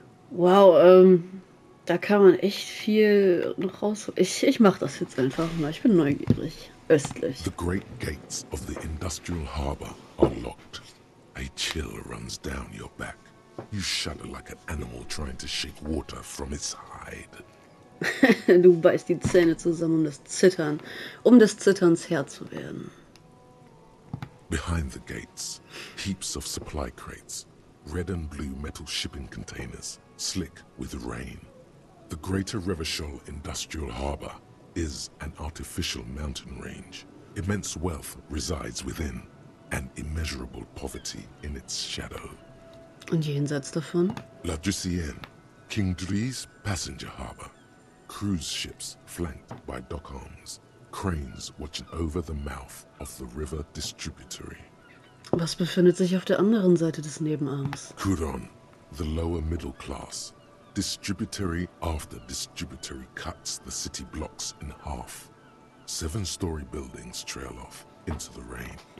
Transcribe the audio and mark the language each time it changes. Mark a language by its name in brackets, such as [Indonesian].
[German] Wow, da kann man echt viel noch raus. Ich mach das jetzt einfach mal. Ich bin neugierig. Östlich. [English] The great gates of the industrial harbor are locked. A chill runs down your back. You shudder like an animal trying to shake water from its hide. [German] Du beißt die Zähne zusammen, um des Zitterns Herr zu werden. [English] Behind the gates, heaps of supply crates. Red and blue metal shipping containers, slick with rain. The greater Revachol Industrial Harbor is an artificial mountain range. Immense wealth resides within, and immeasurable poverty in its shadow. [German] Und jenseits davon? [English] La Drissienne, King Dries Passenger Harbor. Cruise ships flanked by dock arms. Cranes watching over the mouth of the river distributary. [German] Was befindet sich auf der anderen Seite des Nebenarms? [English] Kuron, the lower middle class. Distributary after distributary cuts the city blocks in half. Seven-story buildings trail off into the rain.